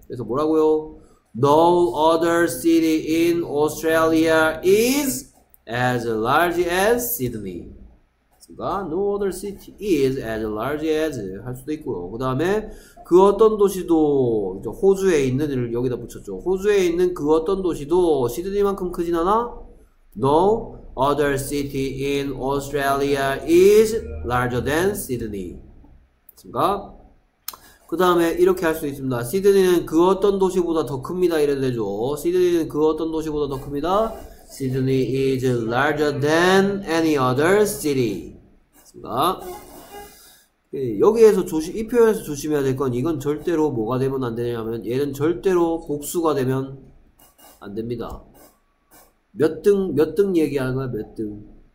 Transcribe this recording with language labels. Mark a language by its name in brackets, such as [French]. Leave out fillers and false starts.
[Korean] 그래서 뭐라고요? [English] No other city in Australia is as large as Sydney. [Korean] 그러니까 [English] No other city is as large as [Korean] 할 수도 있고요. 그 다음에 그 어떤 도시도 이제 호주에 있는 일을 여기다 붙였죠. 호주에 있는 그 어떤 도시도 시드니만큼 크진 않아? [English] No other city in Australia is larger than Sydney. [Korean] 그니까, 그 다음에 이렇게 할수 있습니다. 시드니는 그 어떤 도시보다 더 큽니다. 이래도 되죠. 시드니는 그 어떤 도시보다 더 큽니다. [English] Sydney is larger than any other city. [Korean] 그니까, 여기에서 이 표현에서 조심해야 될건 이건 절대로 뭐가 되면 안 되냐면 얘는 절대로 복수가 되면 안 됩니다. 몇등 얘기하는 거야? 몇 등?